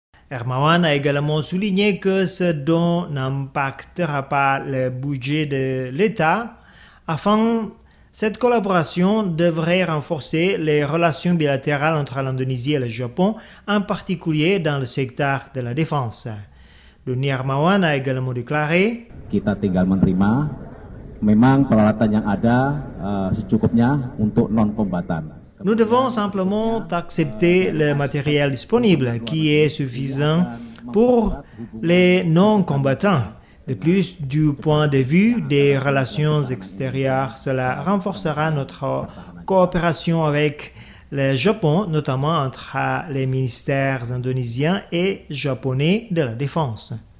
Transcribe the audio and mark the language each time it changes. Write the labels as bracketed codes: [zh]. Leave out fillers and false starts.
[fr] Hermawan a également souligné que ce don n'impactera pas le budget de l'État. Enfin, cette collaboration devrait renforcer les relations bilatérales entre l'Indonésie et le Japon, en particulier dans le secteur de la défense. Doni Hermawan a également déclaré: [id] kita tinggal menerima, memang peralatan yang ada secukupnya untuk non-kombatan. [fr] Nous devons simplement accepter le matériel disponible qui est suffisant pour les non-combattants. De plus, du point de vue des relations extérieures, cela renforcera notre coopération avec le Japon, notamment entre les ministères indonésiens et japonais de la défense.